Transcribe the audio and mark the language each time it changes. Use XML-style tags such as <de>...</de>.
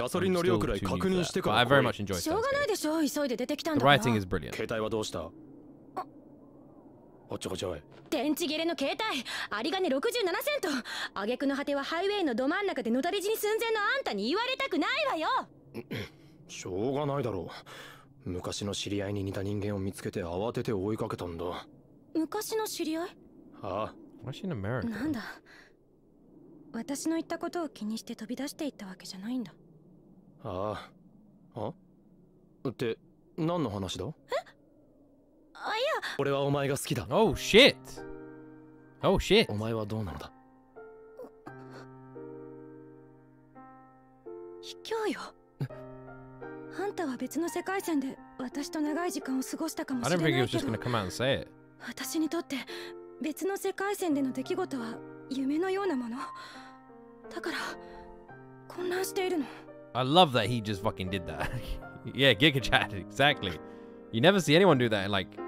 <en>I'm still too new to that, but I very much enjoyed Steins Gate.</en> <ja>しょうがないでしょ、急いで出てきたんだ。</ja> <en>The writing is brilliant.</en> <ja>携帯はどうした？おちょこちょい。電池切れの携帯、有金67セント。挙句の果てはハイウェイのど真ん中で野垂れ死に寸前のあんたに言われたくないわよ。しょうがないだろう。昔の知り合いに似た人間を見つけて慌てて追いかけたんだ。昔の知り合い？ああ。</ja> <en>Was she in America?</en> <ja>なんだ。私の言ったことを気にして飛び出していったわけじゃないんだ。ああ。あ？って何の話だ？え？あ、いや。俺はお前が好きだ。</ja> <en>Oh shit! Oh shit!</en> <ja>お前はどうなのだ？卑怯よ。あんたは別の世界線で私と長い時間を過ごしたかもしれないけど。</ja> <en>I don't think he was just gonna come out and say it.</en> <ja>私にとって別の世界線での出来事は夢のようなもの。だから混乱しているの。</ja> <en>I love that he just fucking did that. Yeah, Giga Chat, exactly. You never see anyone do that in like...</en>